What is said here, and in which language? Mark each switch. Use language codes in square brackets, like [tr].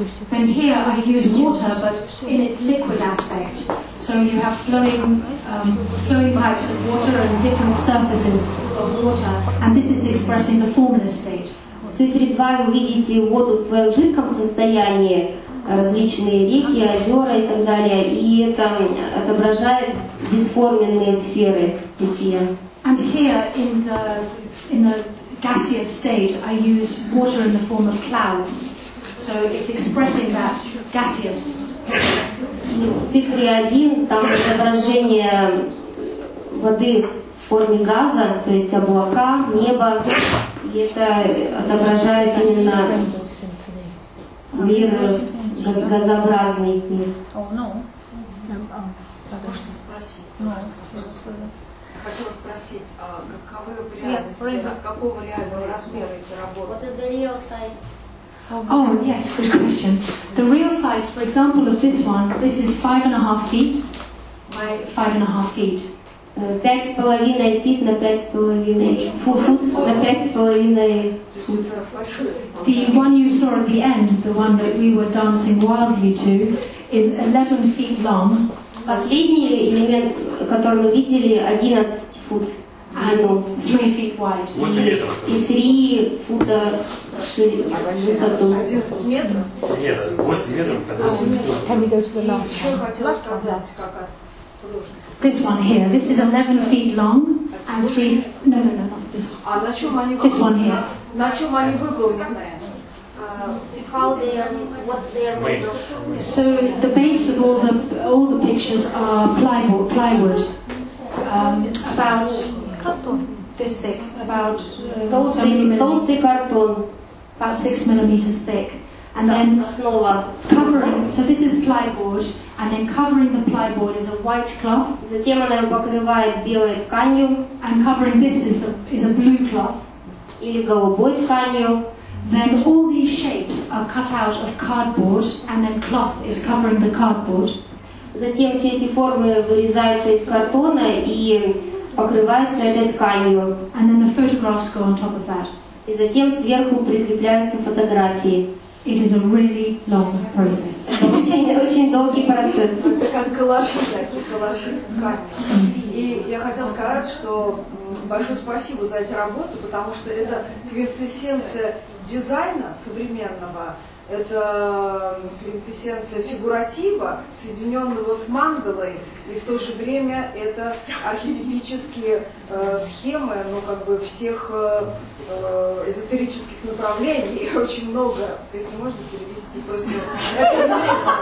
[en] And here I use water, but in its liquid aspect. So you have flowing types of water and different surfaces of water, and this is expressing the formless state. [ru] В цифре 2 вы видите воду в своем жидком состоянии, различные реки, озера и так далее, и это отображает бесформенные сферы бытия. [en] And here in the gaseous state I use water in the form of clouds. So it's expressing that gaseous. [ru] В цифре 1 там отображение воды в форме газа, то есть облака, небо. Это отображает именно мир, газообразный мир. Хотела спросить, а каковы реальности, какого реального размера эти работы? [en] What is the real size? Oh, yes, good question. The real size, for example, of this one, this is 5.5 feet. My 5.5 feet. 5.5 feet на 5.5 foot на 5.5 foot. The one you saw at the end, the one that we were dancing wildly to, is 11 feet long. [ru] Последний элемент, который мы видели, 11 foot. [en] And 3 feet wide. [ru] И 3 фута шире высоту. 11 метров? Нет, 8 метров. [en] This one here, this is 11 feet long and 3 feet, no, this. This one here. [ru] На чём они выполнены? [en] So the base of all the pictures are plywood. About cartoon. This thick, about [ru] толстый картон. [en] About 6 millimeters thick. And then covering, so this is plywood, and then covering the plywood is a white cloth. [ru] Затем она его покрывает белой тканью. [en] And covering this is a blue cloth. [ru] Или голубой тканью. [en] Then all these shapes are cut out of cardboard, and then cloth is covering the cardboard. [ru] Затем все эти формы вырезаются из картона, и покрывается этой тканью. [en] And then the photographs go on top of that. [ru] И затем сверху прикрепляются фотографии. [en] It is a really long process. [ru] Это очень долгий процесс. Это как коллаж, такие коллажи из ткани. И я хотела сказать, что большое спасибо за эти работы, потому что это квинтэссенция дизайна современного, это квинтэссенция фигуратива, соединенного с мандалой, и в то же время это архетипические схемы, ну как бы всех эзотерических направлений, и очень много, если можно перевести просто.